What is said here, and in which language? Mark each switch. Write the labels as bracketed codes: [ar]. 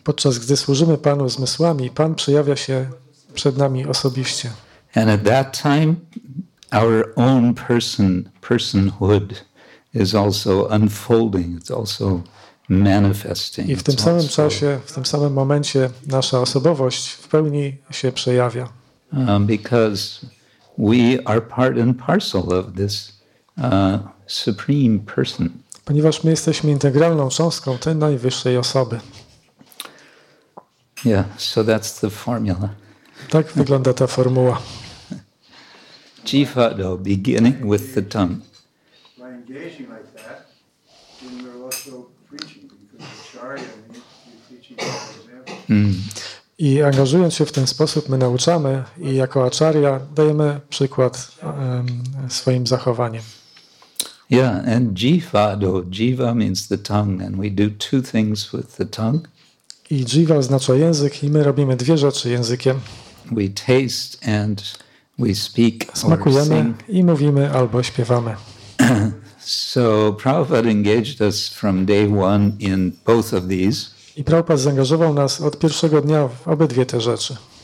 [pl] Podczas gdy służymy Panu zmysłami, Pan przejawia się przed nami osobiście. [en] And at that time our own personhood is also unfolding, it's also manifesting. [pl] I w tym samym czasie, w tym samym momencie nasza osobowość w pełni się przejawia. [en] Because we are part and parcel of this supreme person. [pl] Ponieważ my jesteśmy integralną cząstką tej najwyższej osoby. [en] Yeah, so that's the formula. [pl] Tak wygląda ta formuła. [en] Jiva do, beginning with the tongue. By engaging like that, then we're also preaching, because acharya means you're teaching by example. [pl] I angażując się w ten sposób, my nauczamy i jako acharya dajemy przykład swoim zachowaniem. [en] Yeah, and jiva do, jiva means the tongue, and we do two things with the tongue. [pl] I jiva oznacza język i my robimy dwie rzeczy językiem. [en] We taste and we speak. [pl] Smakujemy [en] or sing. [pl] I mówimy albo śpiewamy. [en] So Prabhupada engaged us from day one in both of these. [pl] I Prabhupada zaangażował nas od pierwszego dnia w obydwie te rzeczy.